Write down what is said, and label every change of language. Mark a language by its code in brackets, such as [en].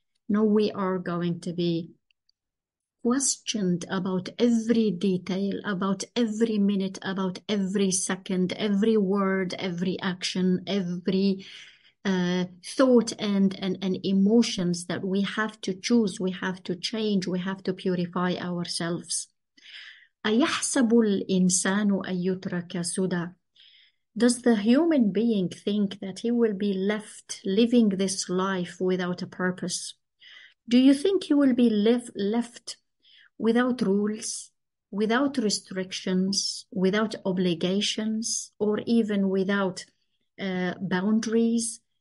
[en] No, we are going to be questioned about every detail, about every minute, about every second, every word, every action, every thought and emotions that we have to choose, we have to change, we have to purify ourselves. [ar] أَيَحْسَبُ الْإِنسَانُ أَيُّتْرَكَ سُدَى. [en] Does the human being think that he will be left living this life without a purpose? Do you think he will be left without rules, without restrictions, without obligations, or even without boundaries?